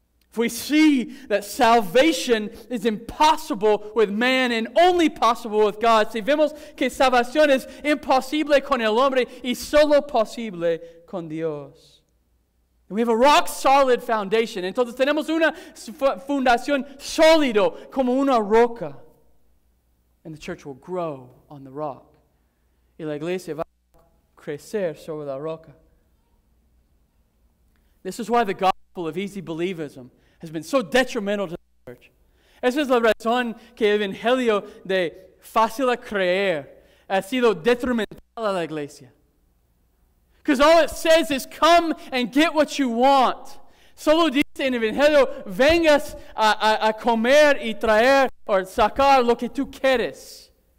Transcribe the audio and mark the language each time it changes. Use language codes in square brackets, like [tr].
[en] If we see that salvation is impossible with man and only possible with God, [es] si vemos que salvación es imposible con el hombre y solo posible con Dios, [en] we have a rock solid foundation. [es] Entonces tenemos una fundación sólido como una roca, [en] and the church will grow on the rock. [es] Y la iglesia va a crecer sobre la roca. [en] This is why the gospel of easy believism has been so detrimental to the church. [es] Esa es la razón que el evangelio de fácil a creer ha sido detrimental a la iglesia. [en] Because all it says is come and get what you want. [es] Solo dice en el evangelio, vengas a comer y traer o sacar lo que tú quieres.